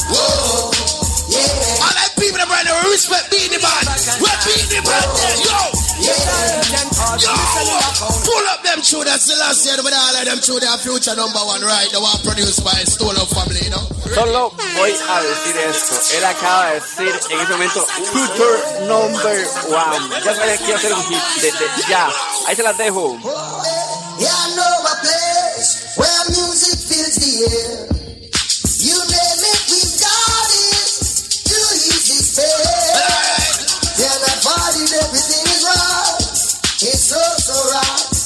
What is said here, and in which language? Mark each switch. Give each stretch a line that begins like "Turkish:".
English: Whoa. Oh. Yeah. All that people that brand new, respect being the man. We're being the man. Oh. Yo. Yeah. Yo, pull up them two, that's the last year. But all of them two, they are future number one, right? The one produced by Stone of Family, you know?
Spanish: Solo voy a decir esto. Él acaba de decir en este momento
English: future number one.
Spanish: Ya sabía que iba a ser un hit desde ya. Ahí se las dejo.
English: Oh, yeah, I know a place where music fills the air. You name it, we got it. Too easy, babe. Hey. Yeah, that body, everything. It's so right.